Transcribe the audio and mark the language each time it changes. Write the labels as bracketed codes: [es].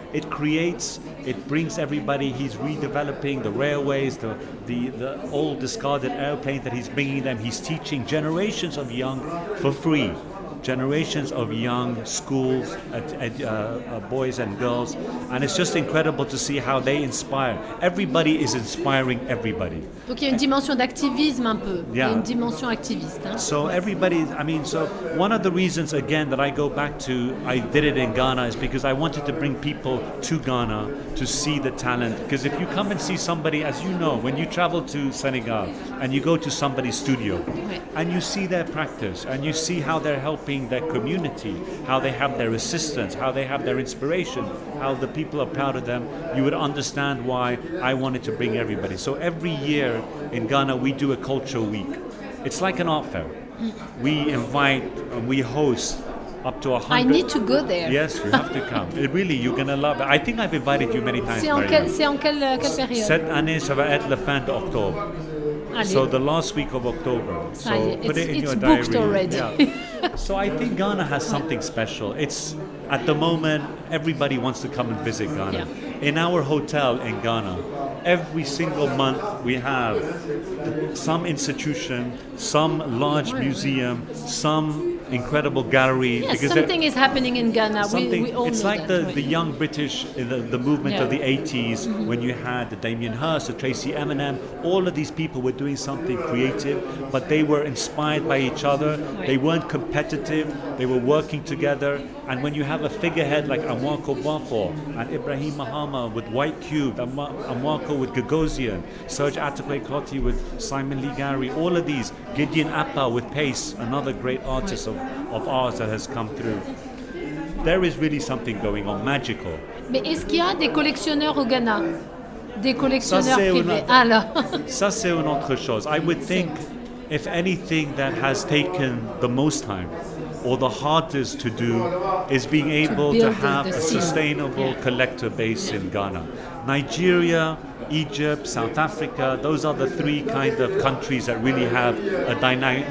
[en] It creates, it brings everybody. He's redeveloping the railways, the old discarded airplanes that he's bringing them. He's teaching generations of young for free. Generations of young schools, boys and girls, and it's just incredible to see how they inspire. Everybody is inspiring everybody. [fr] Donc il y a une dimension d'activisme un peu. Yeah. Il y a une dimension activiste. Hein? [en] So everybody, I mean, so one of the reasons again that I go back to I did it in Ghana is because I wanted to bring people to Ghana to see the talent. Because if you come and see somebody, as you know, when you travel to Senegal and you go to somebody's studio and you see their practice and you see how they're helping helping their community, how they have their assistance, how they have their inspiration, how the people are proud of them, you would understand why I wanted to bring everybody. So every year in Ghana, we do a culture week. It's like an art fair. We invite and we host up to 100. I need to go there. Yes, you have to come. Really, you're going to love it. I think I've invited you many times. [fr] C'est en quelle période? Cette année, ça va être la fin d'octobre. [en] So the last week of October. So put it in your diary. It's booked already. Yeah. So I think Ghana has something special. It's at the moment, everybody wants to come and visit Ghana. Yeah. In our hotel in Ghana, every single month we have some institution, some large museum, some incredible gallery. Yes, because something is happening in Ghana. It's like the young British, the movement of the 80s, mm-hmm. when you had the Damien Hirst, the Tracy Eminem. All of these people were doing something creative, but they were inspired by each other. Right. They weren't competitive. They were working together. And when you have a figurehead like Amoako Bafo and Ibrahim Mahama with White Cube, Amoako with Gagosian, Serge Atapay-Clotty with Simon Lee Gary, all of these, Gideon Appa with Pace, another great artist of ours that has come through. There is really something going on, magical. [fr] Mais est-ce qu'il y a des collectionneurs au Ghana? Des collectionneurs privés? Ça, c'est une autre chose. [en] I would think, if anything that has taken the most time, or the hardest to do, is being able to have a sustainable collector base in Ghana. Nigeria, Egypt, South Africa, those are the three kind of countries that really have a dynamic.